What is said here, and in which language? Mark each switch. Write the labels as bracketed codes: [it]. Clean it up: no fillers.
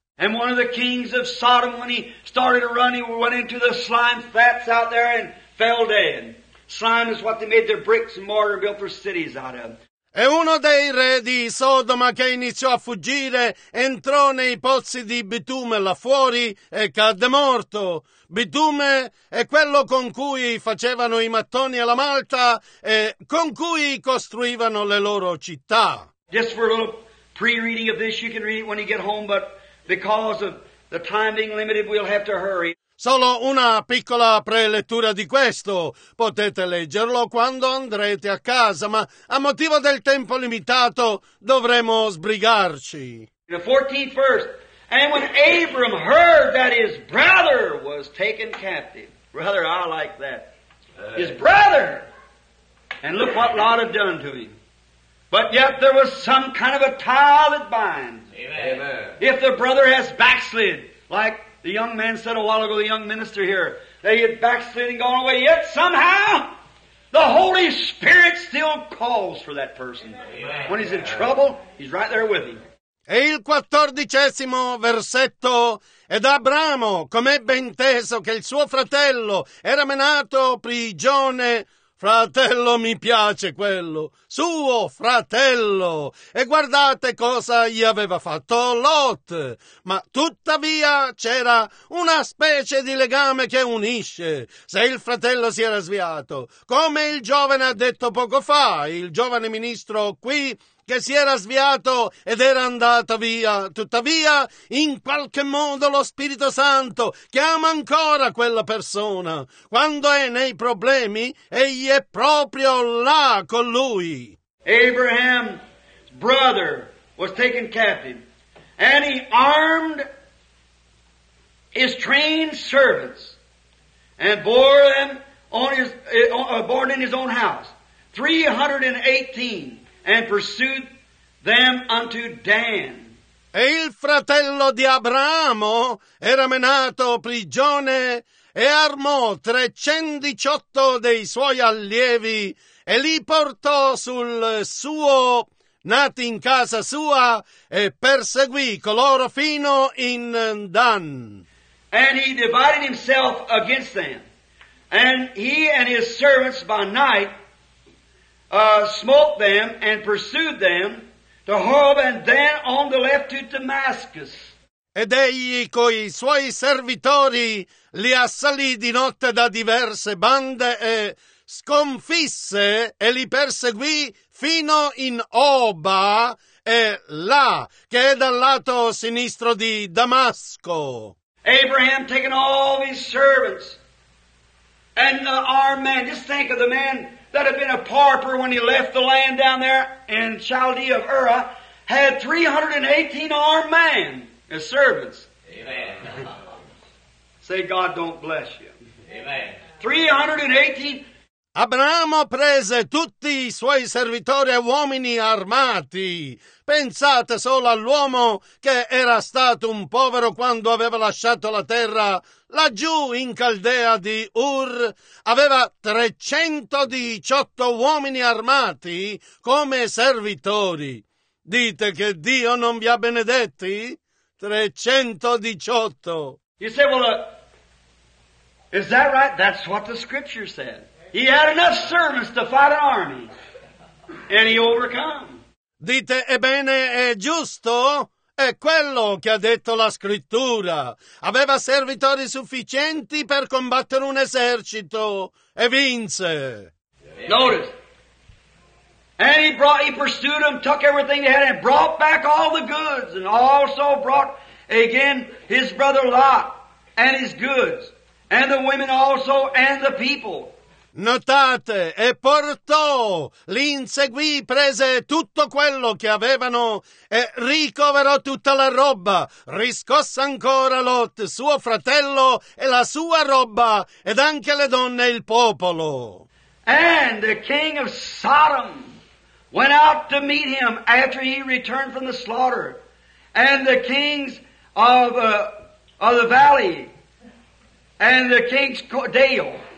[en] And one of the kings of Sodom, when he started to run, he went into the slime fats out there and fell dead. Slime is what they made their bricks and mortar and built their cities out of. [it] E uno dei re di Sodoma che iniziò a fuggire entrò nei pozzi di bitume là fuori e cadde morto. Bitume è quello con cui facevano i mattoni alla malta e con cui costruivano le loro città. [en] Just for a little pre-reading of this, you can read it when you get home, but because of the time being limited, we'll have to hurry. [it] Solo una piccola prelettura di questo. Potete leggerlo quando andrete a casa, ma a motivo del tempo limitato dovremo sbrigarci. [en] The 14th verse. And when Abram heard that his brother was taken captive. Brother, I like that. His brother. And look what Lot had done to him. But yet there was some kind of a tie that binds. Amen. If the brother has backslid, like the young man said a while ago, the young minister here, that he had backslid and gone away, yet somehow the Holy Spirit still calls for that person. Amen. When he's in trouble, he's right there with him. [it] E il 14° versetto, ed Abramo, com'ebbe inteso che il suo fratello era menato prigione, fratello, mi piace quello, suo fratello, e guardate cosa gli aveva fatto Lot. Ma tuttavia c'era una specie di legame che unisce. Se il fratello si era sviato, come il giovane ha detto poco fa, il giovane ministro qui, che si era sviato ed era andato via, tuttavia in qualche modo lo Spirito Santo chiama ancora quella persona. Quando è nei problemi, egli è proprio là con lui. [en] Abraham's brother was taken captive, and he armed his trained servants and bore them on his bore in his own house 318. And pursued them unto Dan. [it] E il fratello di Abramo era menato prigione e armò 318 dei suoi allievi e li portò sul suo, nati in casa sua, e perseguì coloro fino in Dan. [en] And he divided himself against them. And he and his servants by night smote them and pursued them to Horeb, and then on the left to Damascus. [it] Ed egli coi suoi servitori li assalì di notte da diverse bande e sconfisse e li perseguì fino in Oba e là, che è dal lato sinistro di Damasco. [en] Abraham taking all his servants and the armed men. Just think of the men that had been a pauper when he left the land down there in Chaldea of Ur, had 318 armed men as servants. Amen. Say, God don't bless you. Amen. 318. [it] Abramo prese tutti i suoi servitori e uomini armati. Pensate solo all'uomo che era stato un povero quando aveva lasciato la terra laggiù in Caldea di Ur. Aveva 318 uomini armati come servitori. Dite che Dio non vi ha benedetti? 318. [en] You say, well, is that right? That's what the scripture said. He had enough servants to fight an army, and he overcome. [it] Dite, ebbene, è giusto? È quello che ha detto la scrittura. Aveva servitori sufficienti per combattere un esercito e vinse. [en] Notice. And he pursued them, took everything they had, and brought back all the goods, and also brought again his brother Lot and his goods, and the women also, and the people. [it] Notate, e portò, li inseguì, prese tutto quello che avevano e ricoverò tutta la roba. Riscosse ancora Lot, suo fratello, e la sua roba, ed anche le donne e il popolo. [en] And the king of Sodom went out to meet him after he returned from the slaughter. And the kings of the valley and the king's Dale.